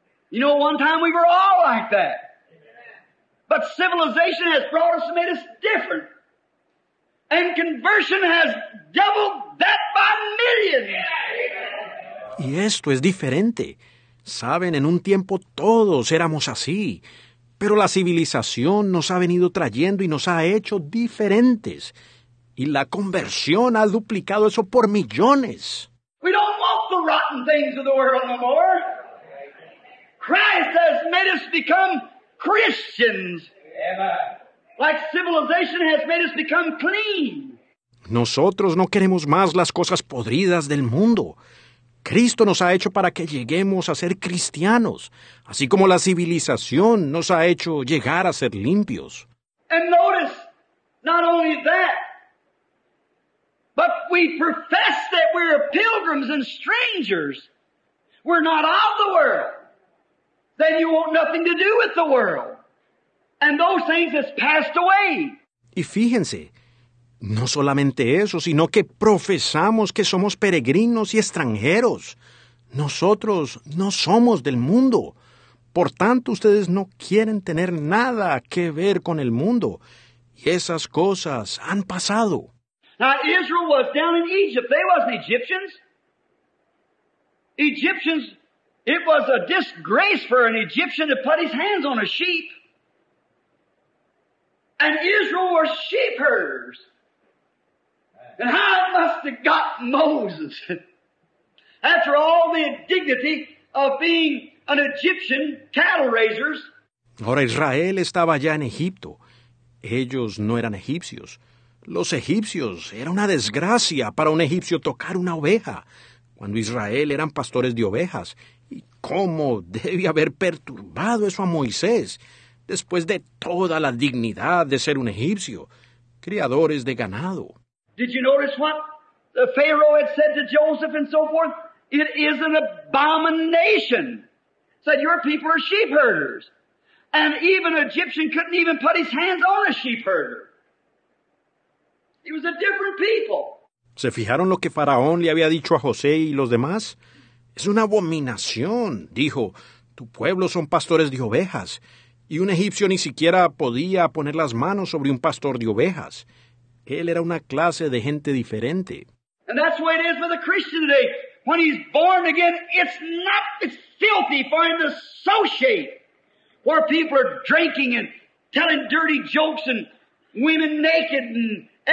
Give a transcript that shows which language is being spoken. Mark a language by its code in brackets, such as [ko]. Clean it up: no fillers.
[en] You know, one time we were all like that. But civilization has brought us and made us different. And conversion has doubled that by millions. [es] Y esto es diferente. Saben, en un tiempo todos éramos así. Pero la civilización nos ha venido trayendo y nos ha hecho diferentes. Y la conversión ha duplicado eso por millones. [en] We don't want the rotten things of the world no more. Christ has made us become Christians. Like civilization has made us become clean. [es] Nosotros no queremos más las cosas podridas del mundo. Cristo nos ha hecho para que lleguemos a ser cristianos, así como la civilización nos ha hecho llegar a ser limpios. [en] And notice, not only that, but we profess that we're pilgrims and strangers. We're not of the world. Then you want nothing to do with the world. And those things have passed away. [es] Y fíjense, no solamente eso, sino que profesamos que somos peregrinos y extranjeros. Nosotros no somos del mundo. Por tanto, ustedes no quieren tener nada que ver con el mundo. Y esas cosas han pasado. [en] Now, Israel was down in Egypt. They wasn't Egyptians. Egyptians, it was a disgrace for an Egyptian to put his hands on a sheep. And Israel were sheep herders. And how it must have got Moses. After all the indignity of being an Egyptian cattle raisers. [es] Ahora Israel estaba ya en Egipto. Ellos no eran egipcios. Los egipcios, era una desgracia para un egipcio tocar una oveja, cuando Israel eran pastores de ovejas. ¿Y cómo debe haber perturbado eso a Moisés, después de toda la dignidad de ser un egipcio, criadores de ganado? [en] Did you notice what the Pharaoh had said to Joseph and so forth? It is an abomination. Said, your people are sheep herders. And even an Egyptian couldn't even put his hands on a sheep herder. It was a different people. [es] ¿Se fijaron lo que Faraón le había dicho a José y los demás? Es una abominación, dijo. Tu pueblo son pastores de ovejas. Y un egipcio ni siquiera podía poner las manos sobre un pastor de ovejas. Él era una clase de gente diferente. [en] And that's the way it is with a Christian today. When he's born again, it's not filthy for him to associate where people are drinking and telling dirty jokes and women naked and